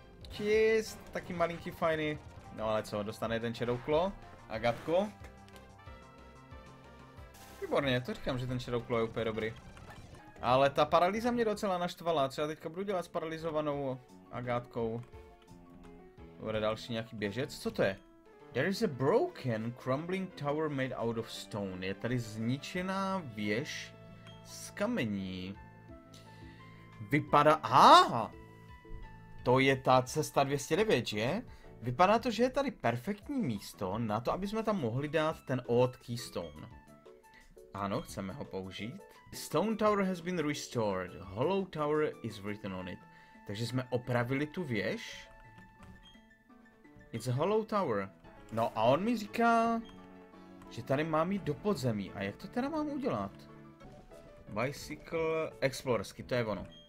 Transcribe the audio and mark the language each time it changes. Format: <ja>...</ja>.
<cs>Čist, taky malinký fajný. No ale co, dostane ten Shadow Claw? A Gatku? Výborně, to říkám, že ten Shadow Claw je úplně dobrý. Ale ta paralýza mě docela naštvala. Co já teďka budu dělat s paralyzovanou Agátkou? Bude další nějaký běžec? Co to je?</cs> <en>There is a broken crumbling tower made out of stone.</en> <cs>Je tady zničená věž z kamení. Vypadá... Aha! To je ta cesta 209, že? Vypadá to, že je tady perfektní místo na to, aby jsme tam mohli dát ten old keystone. Ano, chceme ho použít.</cs> <en>Stone tower has been restored. Hollow tower is written on it.</en> <cs>Takže jsme opravili tu věž.</cs> <en>It's a hollow tower.</en> <cs>No a on mi říká, že tady mám jít do podzemí. A jak to teda mám udělat? Bicycle explorersky, to je ono.</cs>